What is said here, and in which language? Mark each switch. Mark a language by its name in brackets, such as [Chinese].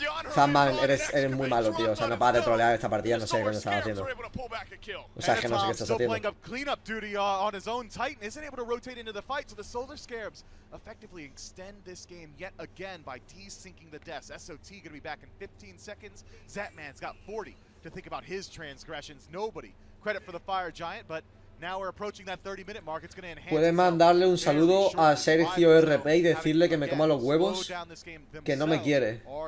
[Spanish] Zamban, eres muy malo, tío. O sea, no para de trolear esta partida. No sé qué estás haciendo. O sea, que no sé qué estás haciendo. [English] Playing up cleanup duty on his own Titan, isn't able to rotate into the fight, so the Solar Scarabs effectively extend this game yet again by desyncing the deaths. SOT gonna be back in 15 seconds. Zatman's got 40 to think about his transgressions. Nobody credit for the fire giant, but now we're approaching that 30-minute mark. It's gonna enhance. [Spanish] Puedes mandarle un saludo a Sergio RP y decirle que me coma los huevos, que no me quiere.